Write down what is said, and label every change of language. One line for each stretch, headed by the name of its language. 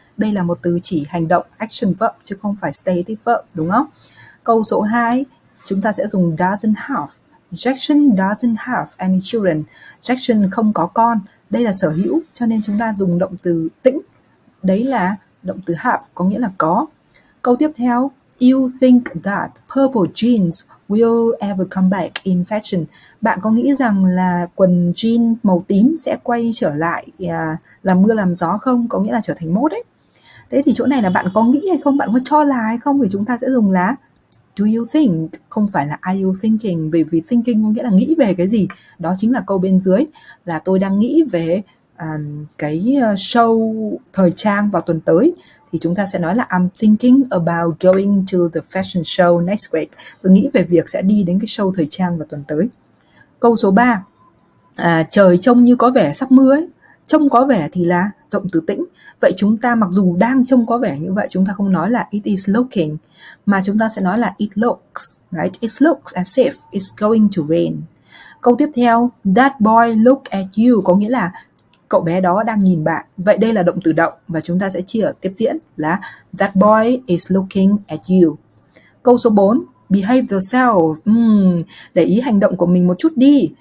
Vietnamese: Đây là một từ chỉ hành động, action verb, chứ không phải stative verb, đúng không? Câu số 2, chúng ta sẽ dùng doesn't have.
English: Jackson doesn't have any children.
Vietnamese: Jackson không có con. Đây là sở hữu, cho nên chúng ta dùng động từ tĩnh. Đấy là động từ have, có nghĩa là có. Câu tiếp theo,
English: you think that purple jeans will ever come back in fashion.
Vietnamese: Bạn có nghĩ rằng là quần jean màu tím sẽ quay trở lại làm mưa làm gió không? Có nghĩa là trở thành mốt đấy. Thế thì chỗ này là bạn có nghĩ hay không? Bạn có cho là hay không? Thì chúng ta sẽ dùng là
English: do you think,
Vietnamese: không phải là
English: are you thinking.
Vietnamese: Bởi vì thinking có nghĩa là nghĩ về cái gì. Đó chính là câu bên dưới, là tôi đang nghĩ về cái show thời trang vào tuần tới. Thì chúng ta sẽ nói là
English: I'm thinking about going to the fashion show next week.
Vietnamese: Tôi nghĩ về việc sẽ đi đến cái show thời trang vào tuần tới. Câu số 3, trời trông như có vẻ sắp mưa ấy. Trông có vẻ thì là động từ tĩnh. Vậy chúng ta mặc dù đang trông có vẻ như vậy, chúng ta không nói là
English: it is looking,
Vietnamese: mà chúng ta sẽ nói là
English: it looks, right? It looks as if it's going to rain.
Vietnamese: Câu tiếp theo,
English: that boy look at you,
Vietnamese: có nghĩa là cậu bé đó đang nhìn bạn. Vậy đây là động từ động và chúng ta sẽ chia ở tiếp diễn là
English: that boy is looking at you.
Vietnamese: Câu số 4,
English: behave yourself.
Vietnamese: Để ý hành động của mình một chút đi.